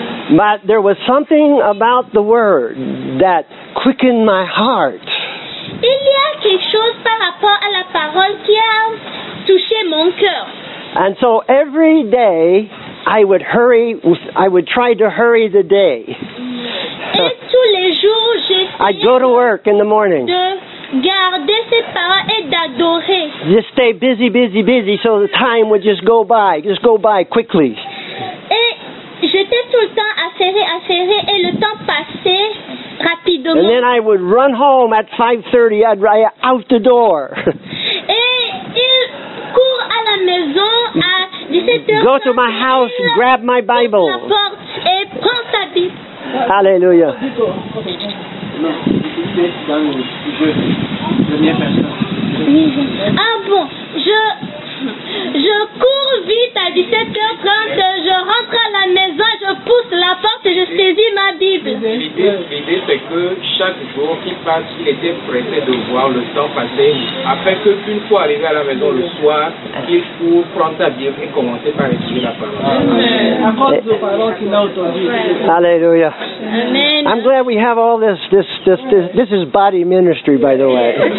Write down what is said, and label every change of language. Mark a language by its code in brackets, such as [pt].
[en] But there was something about the word that quickened my heart. [fr] Il y a quelque chose par rapport à la parole qui a touché mon cœur. [en] And so every day I would hurry, I would try to hurry the day. [fr] Et tous les jours j'essayais. [en] I'd go to work in the morning. [fr] Garder ses paroles et d'adorer. [en] Just stay busy, busy, busy, so the time would just go by quickly. [fr] Et j'étais tout le temps affairée, affairée, et le temps passait rapidement. [en] And then I would run home at 5:30. I'd run out the door. [fr] Et il court à la maison à 17:00. [en] Go to my house, and grab my Bible. [fr] Ouvre la porte et prends ta Bible. Alléluia. Ah bon, je cours vite à 17:30, je rentre à la maison, je pousse la porte et je saisis ma Bible. L'idée c'est que chaque jour qui passe, il était pressé de voir le temps passer, afin que qu'une fois arrivé à la maison le soir, il court prendre sa Bible et commencer par étudier la parole. Amen. Alléluia. Amen. [en] I'm glad we have all this is body ministry, by the way.